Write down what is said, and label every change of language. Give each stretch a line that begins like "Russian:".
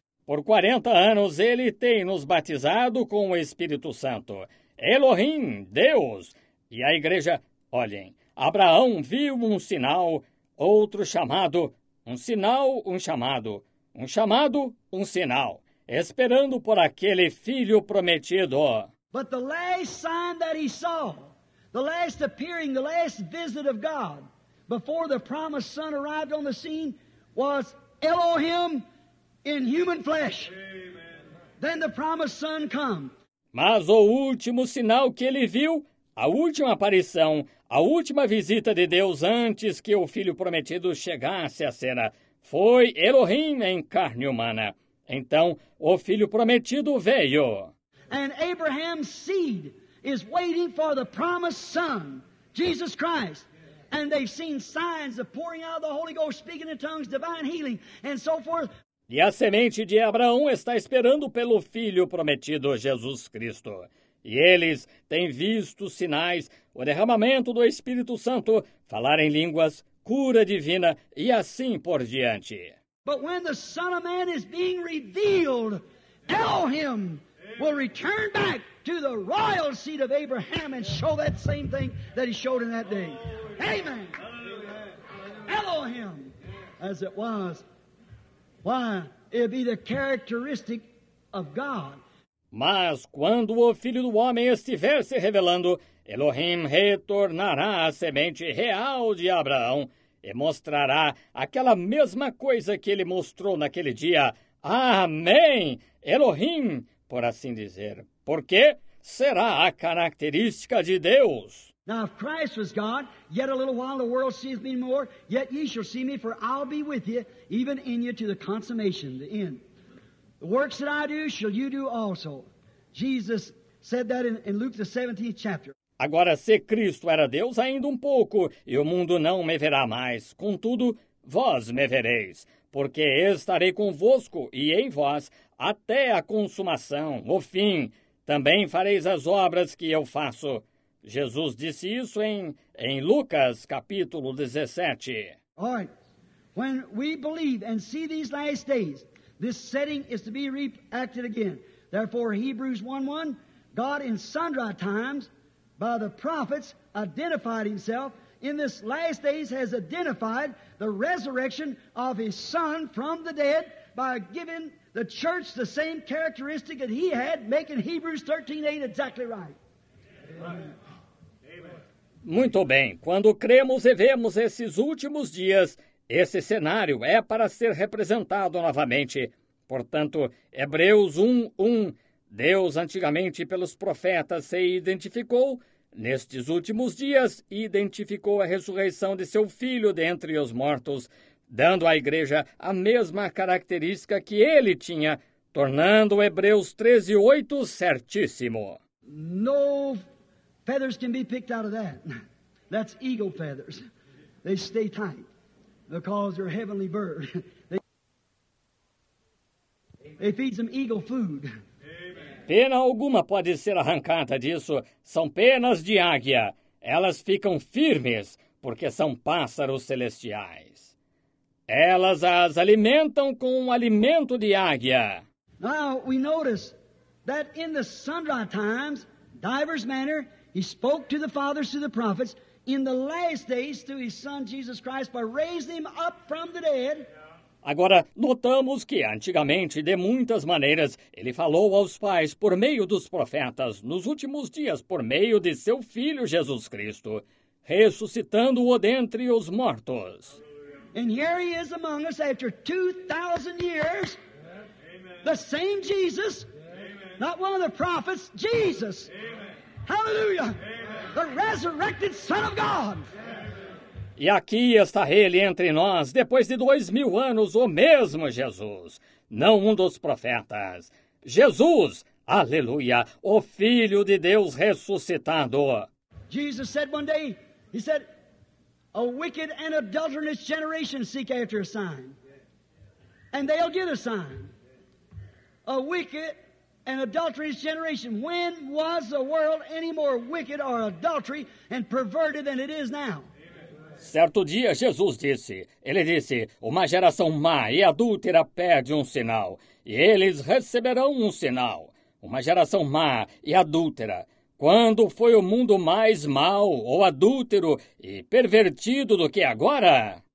Portuguese: Por 40 anos, ele tem nos batizado com o Espírito Santo. Elohim, Deus. E a igreja, olhem, Abraão viu um sinal, outro chamado, um sinal, um chamado, um sinal, esperando por aquele filho prometido.
English: But the last sign that he saw, the last appearing, the last visit of God before the promised son arrived on the scene was Elohim in human flesh. Amen. Then the promised son come.
Portuguese: Mas o último sinal que ele viu, a última aparição, a última visita de Deus antes que o filho prometido chegasse à cena, foi Elohim em carne humana. Então, o filho prometido veio.
English: And Abraham's seed is waiting for the promised son, Jesus Christ. And they've seen signs of pouring out of the Holy Ghost, speaking in tongues, divine healing, and so forth.
Portuguese: E a semente de Abraão está esperando pelo filho prometido, Jesus Cristo. E eles têm visto sinais, o derramamento do Espírito Santo, falar em línguas, cura divina e assim por diante.
English: But when the Son of Man is being revealed, Elohim will return back to the royal seat of Abraham and show that same thing that he showed in that day. Amen. Elohim, as it was. Why? It'd be the characteristic of God.
Portuguese: Mas quando o Filho do Homem estiver se revelando, Elohim retornará à semente real de Abraão e mostrará aquela mesma coisa que ele mostrou naquele dia. Amém! Elohim, por assim dizer. Porque será a característica de Deus.
English: Now, if Christ was God, yet a little while the world sees me more, yet ye shall see me, for I'll be with you, even in you, to the consummation, the end. The works that I do, shall you do also. Jesus said that in Luke, the 17th chapter.
Portuguese: Agora, se Cristo era Deus ainda um pouco, e o mundo não me verá mais, contudo, vós me vereis, porque estarei convosco e em vós até a consumação, o fim. Também fareis as obras que eu faço. Jesus disse isso em Lucas, capítulo 17.
English: All right. When we believe and see these last days, this setting is to be reacted again. Therefore, Hebrews 1:1, God in sundry times by the prophets identified himself in this last days has identified the resurrection of his son from the dead by giving the church the same characteristic that he had, making Hebrews 13:8 exactly right. Amen.
Portuguese: Muito bem, quando cremos e vemos esses últimos dias, esse cenário é para ser representado novamente. Portanto, Hebreus 1:1, Deus antigamente pelos profetas se identificou, nestes últimos dias identificou a ressurreição de seu filho dentre os mortos, dando à igreja a mesma característica que ele tinha, tornando Hebreus 13:8 certíssimo.
English: No. Feathers can be picked out of that. That's eagle feathers. They stay tight. because they're heavenly birds. They feed them eagle food.
Portuguese: Pena alguma pode ser arrancada disso. São penas de águia. Elas ficam firmes porque são pássaros celestiais. Elas as alimentam com um alimento de águia.
English: Now we notice that in the sundry times, divers manner, he spoke to the fathers through the prophets. In the last days, through his Son Jesus Christ, by raising him up from the dead.
Portuguese: Agora, notamos que antigamente, de muitas maneiras, ele falou aos pais por meio dos profetas, nos últimos dias, por meio de seu Filho Jesus Cristo, ressuscitando-o dentre os mortos.
English: And here he is among us after 2,000 years, Amen. The same Jesus, Amen. Not one of the prophets, Jesus. Amen. Hallelujah! Amen. The resurrected Son of God.
Portuguese: E aqui está ele entre nós, depois de 2,000 anos, o mesmo Jesus, não um dos profetas. Jesus, aleluia, o Filho de Deus ressuscitado.
English: Jesus said one day, he said, a wicked and adulterous generation seek after a sign, and they'll get a sign. A wicked and adulterous generation. When was the world any more wicked or adultery and perverted than it is now?
Portuguese: Certo dia, Jesus disse, uma geração má e adúltera pede um sinal, e eles receberão um sinal. Uma geração má e adúltera. Quando foi o mundo mais mau ou adúltero e pervertido do que agora?